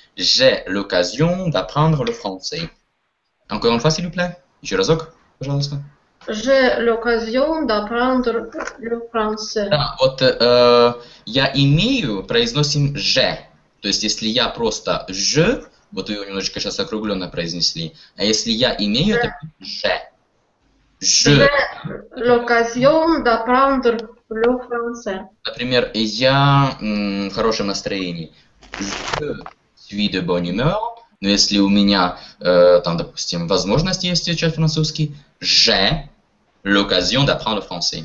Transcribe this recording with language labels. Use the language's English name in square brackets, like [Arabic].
[French] J'ai l'occasion d'apprendre le français. Encore une fois, s'il vous plaît. [Russian] Еще разок, пожалуйста. [French] J'ai l'occasion d'apprendre le français. [Russian] Да, вот я имею, произносим «je». То есть, если я просто «je», вот вы его немножечко сейчас округленно произнесли, а если я имею, то «je». [French] J'ai l'occasion d'apprendre le français. [Russian] Например, я в хорошем настроении. [French] Je suis de bonne humeur. [Russian] Но если у меня, там, допустим, возможность есть изучать французский, [French] j'ai l'occasion d'apprendre français.